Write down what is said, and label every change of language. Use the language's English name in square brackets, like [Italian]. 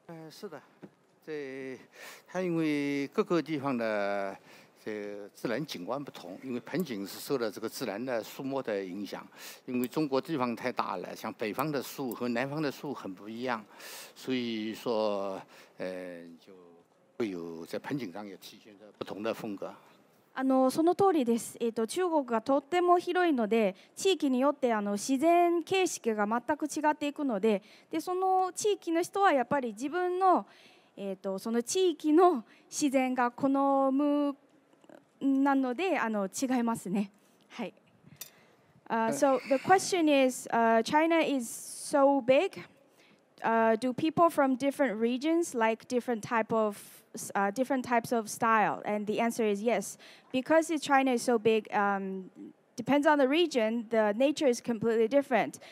[Chinese] 是的，这它因为各个地方的自然景观不同，因为盆景是受了这个自然的树木的影响，因为中国地方太大了，像北方的树和南方的树很不一样，所以说就会有在盆景上有体现的不同的风格。 [Japanese] その通りです。中国がとっても広いので、地域によって自然形式が全く違っていくので、でその地域の人はやっぱり自分のその地域の自然が好むなので、違いますね。はい。 [English] So the question is, China is so big, do people from different regions like different types of style? And the answer is yes. Because China is so big, depends on the region, the nature is completely different.